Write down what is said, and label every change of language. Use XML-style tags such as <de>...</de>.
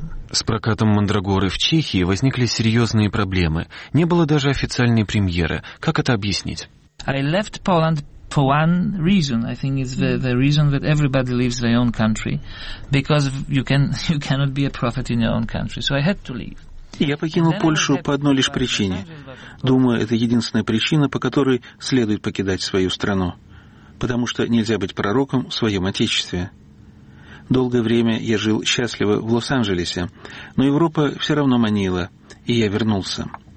<ru>С прокатом «Мандрагоры» в Чехии возникли серьезные проблемы. Не было даже официальной премьеры. Как это объяснить?</ru> <en>I left Poland. For one reason, I think it's the reason that everybody leaves their own country, because you cannot be a prophet in your own country. So I had to leave.</en> <ru>Я покинул Польшу по одной лишь причине. Думаю, это единственная причина, по которой следует покидать свою страну, потому что нельзя быть пророком в своем отечестве. Долгое время я жил счастливо в Лос-Анджелесе, но Европа все равно манила, и я вернулся.</ru>